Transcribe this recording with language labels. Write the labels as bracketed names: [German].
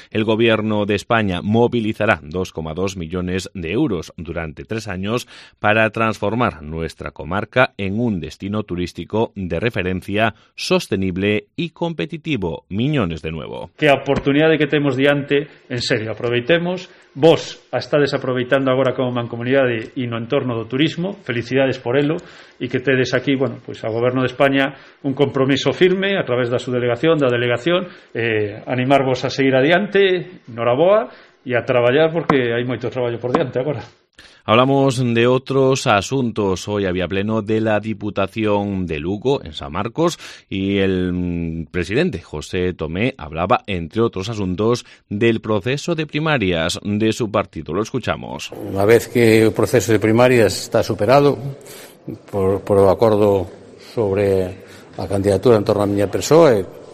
[Spanish] El Gobierno de España movilizará 2,2 millones de euros durante 3 años para transformar nuestra comarca en un destino turístico de referencia, sostenible y competitivo. Miñones de nuevo. [Galician] ¿Qué oportunidad de que tenemos diante? En serio, aproveitemos. Vos a está desaproveitando agora como mancomunidade e no entorno do turismo, felicidades por elo, e que tedes aquí, bueno, pois ao Goberno de España un compromiso firme a través da súa delegación, da delegación, animarvos a seguir adiante, noraboa, e a traballar porque hai moito traballo por diante agora. [Spanish] Hablamos de otros asuntos. Hoy había pleno de la Diputación de Lugo, en San Marcos, y el presidente José Tomé hablaba, entre otros asuntos, del proceso de primarias de su partido. Lo escuchamos. Una vez que el proceso de primarias está superado por el acuerdo sobre la candidatura en torno a mi persona,